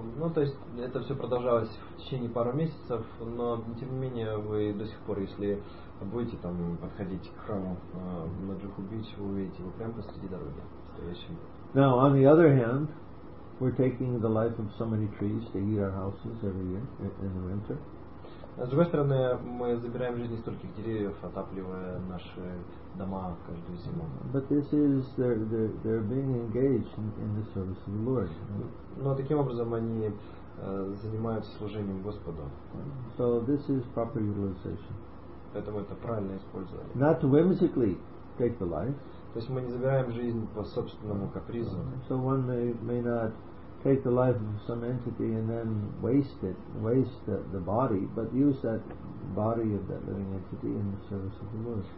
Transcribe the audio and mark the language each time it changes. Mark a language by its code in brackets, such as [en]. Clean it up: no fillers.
[ru] Ну, то есть это все продолжалось в течение пару месяцев, но тем не менее вы до сих пор, если будете там подходить к храму на Джуху Бич, вы увидите его прямо посреди дороги стоящим. [en] Now, on the other hand, we're taking the life of so many trees to heat our houses every year in the winter. [ru] С другой стороны, мы забираем жизни стольких деревьев, отапливая наши дома каждую зиму. [en] But this is they're being engaged in the service of the Lord. [ru] Но таким образом они занимаются служением Господу. [en] So this is proper utilization. [ru] Поэтому это правильное использование. [en] Not to whimsically take the life. [ru] То есть мы не забираем жизнь по собственному капризу. [en] So one may not take the life of some entity and then waste the body, but use that body of that living entity in the service of the Lord.